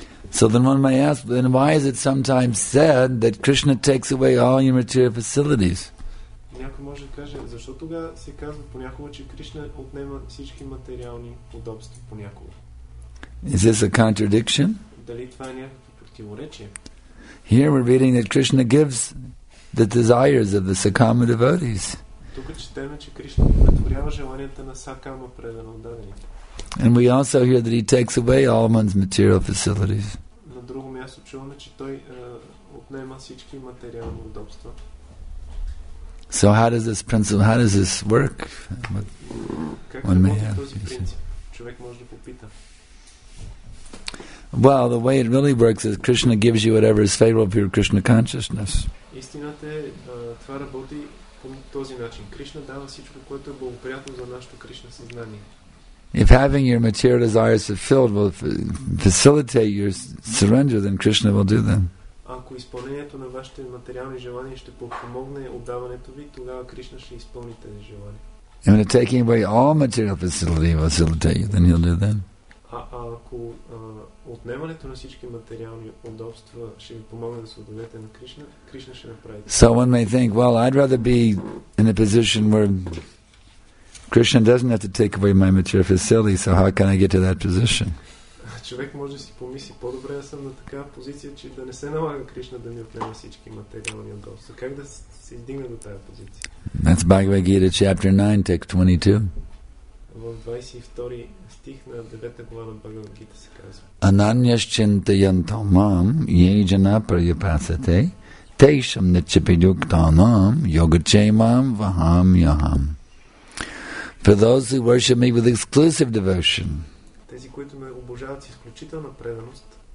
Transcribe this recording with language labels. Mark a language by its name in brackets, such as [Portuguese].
[English] So then one may ask, then why is it sometimes said that Krishna takes away all your material facilities? [Bulgarian] Някой може да каже, защо тогава се казва понякога, че Кришна отнема всички материални удобства понякога? [English] Is this a contradiction? [Bulgarian] Дали това е някакво противоречие? [English] Here we're reading that Krishna gives the desires of the Sakama devotees. [Bulgarian] Тук четем, че Кришна удовлетворява желанията на Сакама предано отдадените. [English] And we also hear that he takes away all one's material facilities. [Bulgarian] На друго място чуваме, че той отнема всички материални удобства. [English] So how does this principle, how does this work? One may ask. [Bulgarian] Човек може да попита. [English] Well, the way it really works is Krishna gives you whatever is favorable for your Krishna consciousness. [Bulgarian] Истината е, това работи по този начин. Кришна дава всичко, което е благоприятно за нашето Кришна съзнание. [English] If having your material desires fulfilled will facilitate your surrender, then Krishna will do that. [Bulgarian] Ако изпълнението на вашите материални желания ще подпомогне отдаването ви, тогава Кришна ще изпълни тези желания. [English] And if taking away all material facility will facilitate you, then he'll do that. [Bulgarian] Ако отнемането на всички материални удобства ще ви помогне да се отдадете на Кришна, Кришна ще направи. [English] So one may think, well, I'd rather be in a position where Krishna doesn't have to take away my material facility, so how can I get to that position? [Bulgarian] Човек може да си помисли, по-добре да съм на такава позиция, че да не се налага Кришна да ми отнема всички материални удобства. Как да се издигна до тази позиция? [English] That's Bhagavad Gita chapter 9, text 22. [Bulgarian] В 22 стих на 9 глава на Bhagavad Gita се казва. [Sanskrit] Ананяшчинтаянтамам ейджана прайапасате тейшам нечепидуктанам йогачемам вахам яхам. [English] For those who worship me with exclusive devotion, [Bulgarian] тези, които ме обожават с изключителна преданост,